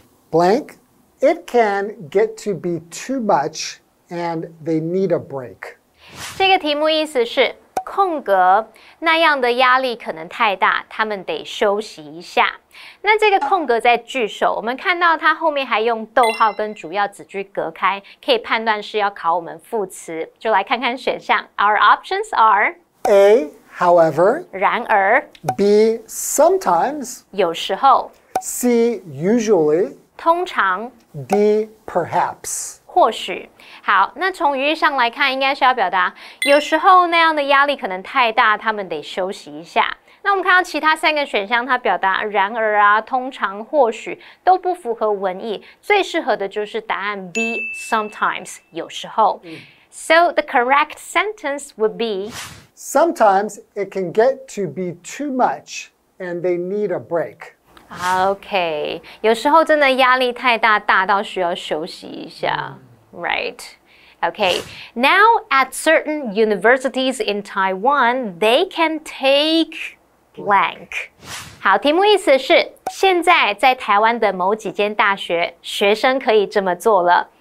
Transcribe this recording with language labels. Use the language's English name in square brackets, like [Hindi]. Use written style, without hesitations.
[English] Blank, it can get to be too much and they need a break. [Chinese] 这个题目意思是空格那样的压力可能太大，他们得休息一下。那这个空格在句首，我们看到它后面还用逗号跟主要子句隔开，可以判断是要考我们副词。就来看看选项。 [English] Our options are A. However. [Chinese] 然而。 [English] B. Sometimes. [Chinese] 有时候。 [English] C. Usually. [Chinese] 通常。 [English] D. Perhaps. [Chinese] 或许，好，那从语义上来看，应该是要表达有时候那样的压力可能太大，他们得休息一下。那我们看到其他三个选项，它表达然而啊、通常、或许都不符合文意，最适合的就是答案 B. [English] Sometimes [Chinese] 有时候。 [English] So the correct sentence would be Sometimes it can get to be too much, and they need a break. [Chinese] OK, 有时候真的压力太大，大到需要休息一下。 [English] Right. OK, now at certain universities in Taiwan, they can take blank. [Chinese] 好，题目意思是，现在在台湾的某几间大学，学生可以这么做了。